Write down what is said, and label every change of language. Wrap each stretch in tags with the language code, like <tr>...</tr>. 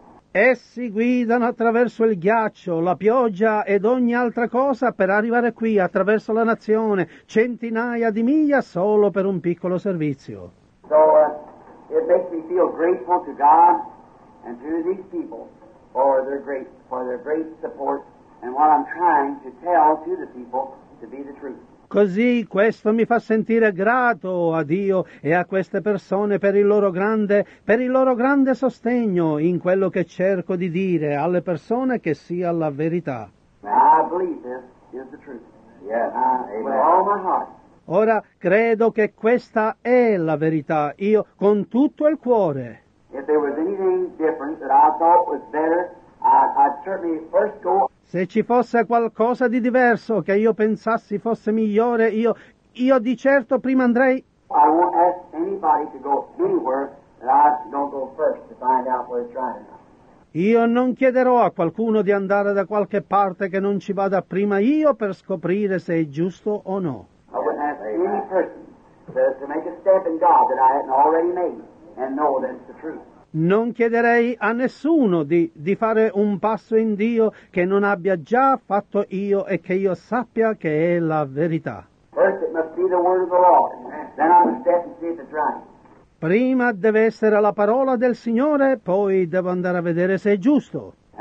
<it>Essi guidano attraverso il ghiaccio, la pioggia ed ogni altra cosa per arrivare qui, attraverso la nazione, centinaia di miglia solo per un piccolo servizio.</it> <en>So, it makes me feel grateful to God and to these people. For their great support and what I'm trying to tell to the people to be the truth.</en> <it>Così questo mi fa sentire grato a Dio e a queste persone per il loro grande sostegno in quello che cerco di dire alle persone che sia la verità.</it> <en>Now, I believe this is the truth. Yes. With all my heart.</en> <it>Ora credo che questa è la verità, io con tutto il cuore.</it> <en>If there was anything different that I thought was better, I'd certainly first go.</en> <it>Se ci fosse qualcosa di diverso che io pensassi fosse migliore, io di certo prima andrei.</it> <en>I won't ask anybody to go anywhere that I don't go first to find out where it's right enough.</en> <it>Io non chiederò a qualcuno di andare da qualche parte che non ci vada prima io per scoprire se è giusto o no.</it> <en>I wouldn't ask any person to make a step in God that I hadn't already made and know that it's the truth.</en> <it>Non chiederei a nessuno di fare un passo in Dio che non abbia già fatto io e che io sappia che è la verità.</it> <en>First it must be the word of the Lord. Then I must step and see if it's right.</en> <it>Prima deve essere la parola del Signore, poi devo andare a vedere se è giusto.</it>